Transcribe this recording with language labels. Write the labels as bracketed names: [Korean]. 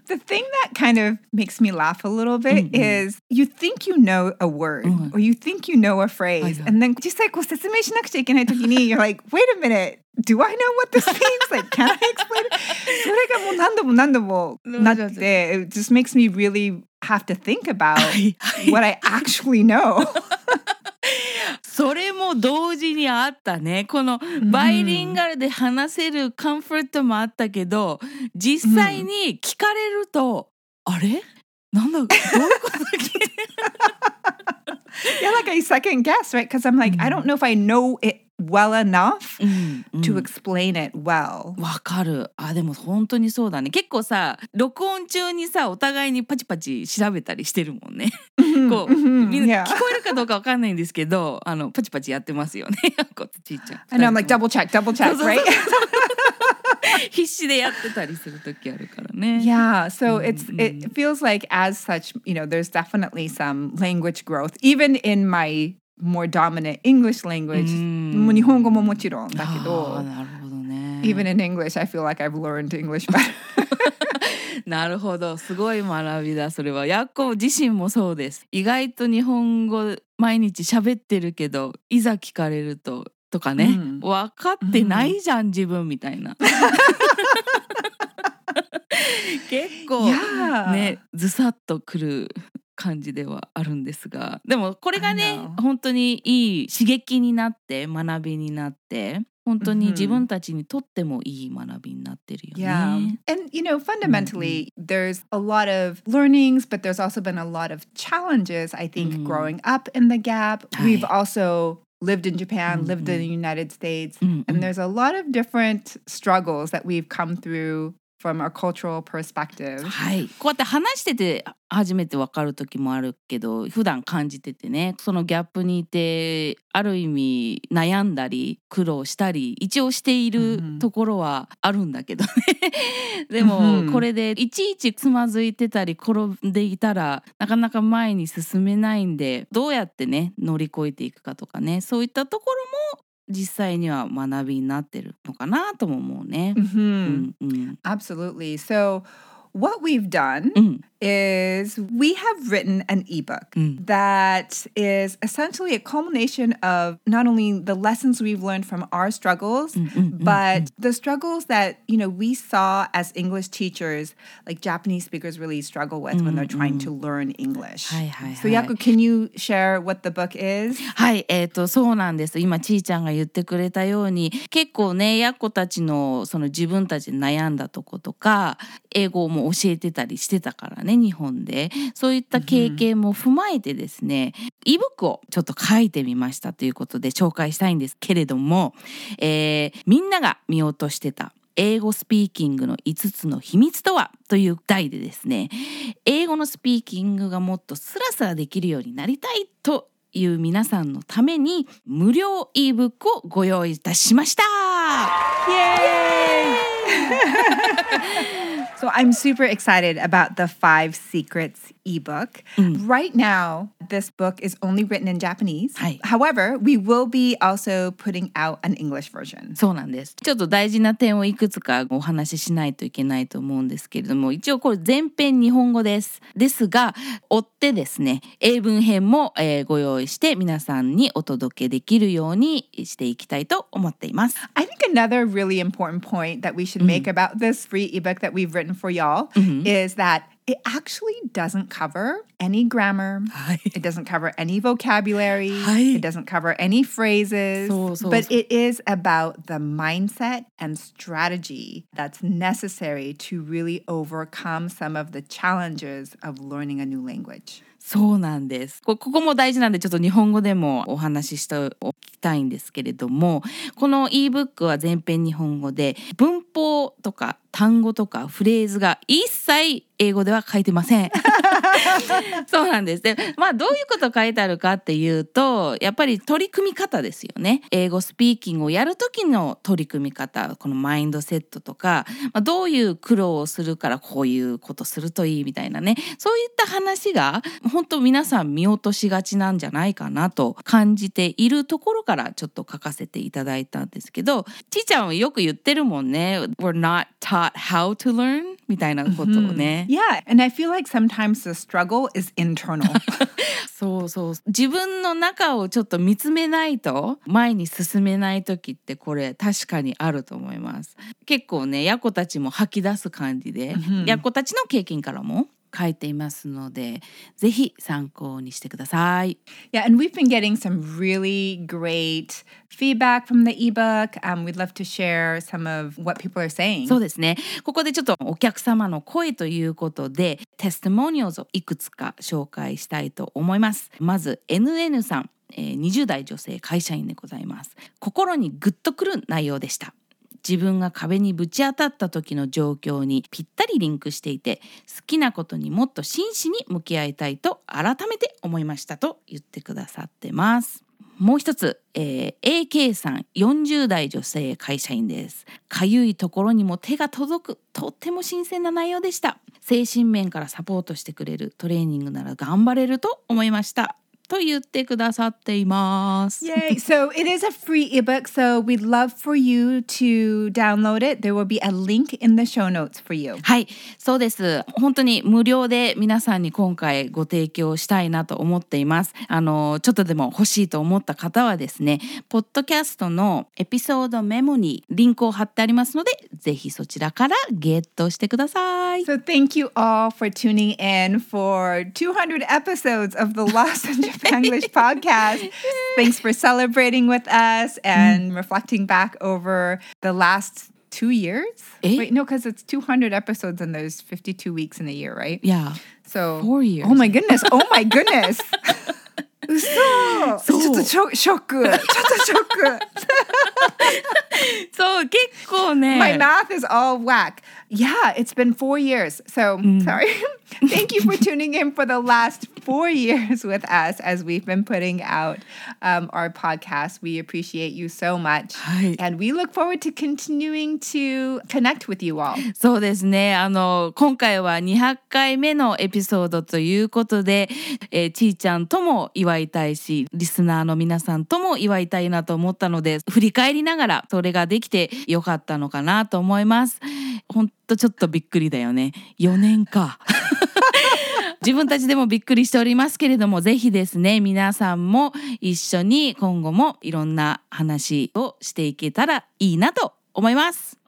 [English] The thing that kind of makes me laugh a little bit、mm-hmm. is you think you know a word、mm-hmm. or you think you know a phrase、mm-hmm. and then [Japanese] 実際こう説明しなくちゃいけない時に [English] you're like, wait a minute. Do I know what this means? Like, can I explain it? [Japanese] それがもう何度も何度もなって、 [English] it just makes me really have to think about what I actually know. [Japanese] それも同時にあったね。このバイリンガルで話せるコンフォートもあったけど、実際に聞かれると、あれ? なんだ?どういうことだっけ? [English] Yeah, like I second guess, right? Because I'm like, I don't know if I know it. well enough to explain it well. [Japanese] わかる。あ、でも本当にそうだね。結構さ、録音中にさ、お互いにパチパチ調べたりしてるもんね。こう、聞こえるかどうかわかんないんですけど、あの、パチパチやってますよね。こう、ちーちゃん。 [English] I know, I'm like, double check, double check, right? [Japanese] 必死でやってたりするときあるからね。 [English] Yeah, so it's, it feels like as such, you know, there's definitely some language growth. Even in my... more dominant English language. [Japanese] もう日本語ももちろんだけど。あ、なるほどね。 Even in English, I feel like I've learned English better. なるほど。すごい学びだ、それは。ヤッコ自身もそうです。意外と日本語毎日喋ってるけど、いざ聞かれるととかね、分かってないじゃん、自分みたいな。結構、ね、ずさっとくる。感じではあるんですが、でもこれがね、本当にいい刺激になって、学びになって、本当に自分たちにとってもいい学びになってるよね。 [English] Yeah. And you know, fundamentally, there's a lot of learnings, but there's also been a lot of challenges, I think, growing up in the gap. We've also lived in Japan, lived in the United States, and there's a lot of different struggles that we've come through. From our cultural perspective. [Japanese] はい。こうやって話してて初めて分かる時もあるけど、普段感じててね、そのギャップにいてある意味悩んだり苦労したり一応しているところはあるんだけどね。でもこれでいちいちつまずいてたり転んでいたらなかなか前に進めないんで、どうやってね乗り越えていくかとかね、そういったところも実際には学びになってるのかなとも思うね。 [English] Absolutely. So what we've done is we have written an ebook that is essentially a culmination of not only the lessons we've learned from our struggles, but the struggles that, you know, we saw as English teachers, like Japanese speakers really struggle with when they're trying to learn English. はいはいはい。 So Yaku, can you share what the book is? [Japanese] はい、そうなんです。今ちーちゃんが言ってくれたように、結構ね、やっこたちのその自分たちで悩んだとことか、英語も教えてたりしてたからね、日本でそういった経験も踏まえてですね、ebook をちょっと書いてみましたということで紹介したいんですけれども、みんなが見落としてた英語スピーキングの5つの秘密とはという題でですね、英語のスピーキングがもっとスラスラできるようになりたいという皆さんのために無料 ebook をご用意いたしました。イエーイ。 [English] So I'm super excited about the Five Secrets ebook. Right now, this book is only written in Japanese. However, we will be also putting out an English version. [Japanese] そうなんです。ちょっと大事な点をいくつかお話ししないといけないと思うんですけれども、一応これ全編日本語です。ですが、追ってですね、英文編も、ご用意して皆さんにお届けできるようにしていきたいと思っています。 [English] I think another really important point that we should make about this free ebook that we've written for y'all is that it actually doesn't cover any grammar. It doesn't cover any vocabulary. It doesn't cover any phrases. But it is about the mindset and strategy that's necessary to really overcome some of the challenges of learning a new language. [Japanese] そうなんです。ここも大事なんでちょっと日本語でもお話ししておきたいんですけれども、この ebook は全編日本語で、文法とか単語とかフレーズが一切英語では書いてません。そうなんですね。まあどういうこと書いてあるかっていうと、やっぱり取り組み方ですよね。英語スピーキングをやる時の取り組み方、このマインドセットとか、まあ、どういう苦労をするからこういうことするといいみたいなね、そういった話が本当皆さん見落としがちなんじゃないかなと感じているところからちょっと書かせていただいたんですけど、ちーちゃんはよく言ってるもんね、 [English] We're not taught how to learn [Japanese] みたいなことをね、 mm-hmm. [English] Yeah, and I feel like sometimes the struggle is internal. [Japanese] そうそう、自分の中をちょっと見つめないと前に進めない時ってこれ確かにあると思います。結構ね、ヤコたちも吐き出す感じで、mm-hmm. ヤコたちの経験からも書いていますので、ぜひ参考にしてください。 [English] Yeah, and we've been getting some really great feedback from the ebook. We'd love to share some of what people are saying. [Japanese] そうですね、ここでちょっとお客様の声ということで、テストモニオーズをいくつか紹介したいと思います。まず NN さん、20代女性会社員でございます。心にグッとくる内容でした。自分が壁にぶち当たった時の状況にぴったりリンクしていて、好きなことにもっと真摯に向き合いたいと改めて思いましたと言ってくださってます。もう一つ、AK さん、40代女性会社員です。かゆいところにも手が届く、とっても新鮮な内容でした。精神面からサポートしてくれるトレーニングなら頑張れると思いましたと言ってくださっています。 [English] Yay! So it is a free ebook, so we'd love for you to download it. There will be a link in the show notes for you. [Japanese] はい、そうです。本当に無料で皆さんに今回ご提供したいなと思っています。ちょっとでも欲しいと思った方はですね、ポッドキャストのエピソードメモにリンクを貼ってありますので、ぜひそちらからゲットしてください。 [English] So thank you all for tuning in for 200 episodes of the Lost and English podcast. Thanks for celebrating with us and reflecting back over the last 2 years. Wait, no, because it's 200 episodes and there's 52 weeks in a year, right? Yeah. So 4 years. Oh my goodness. Oh my goodness. [Japanese] 嘘、ちょっとショック、ちょっとショック。そう、結構ね。 [English] My math is all whack. Yeah, it's been 4 years. So, sorry. Thank you for tuning in for the last 4 years with us as we've been putting out our podcast. We appreciate you so much. [Japanese] はい。 [English] And we look forward to continuing to connect with you all. [Japanese] そうですね。今回は200回目のエピソードということで、ちーちゃんとも祝いたいし、リスナーの皆さんとも祝いたいなと思ったので、振り返りながらそれができてよかったのかなと思います。本当ちょっとびっくりだよね。4年か。自分たちでもびっくりしておりますけれども、ぜひですね、皆さんも一緒に今後もいろんな話をしていけたらいいなと思います。